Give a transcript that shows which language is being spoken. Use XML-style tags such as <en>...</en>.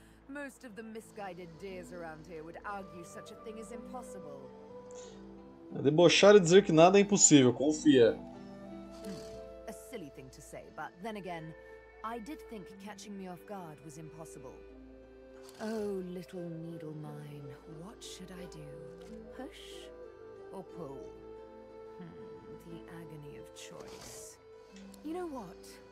<en>Most of the misguided dears around here would argue such a thing is impossible.</en> <pt>É debochar e dizer que nada é impossível, confia.</pt> <en>A silly thing to say, but then again, I did think catching me off guard was impossible. Oh, little needle mine, what should I do? Push or pull? The agony of choice. You know what?</en>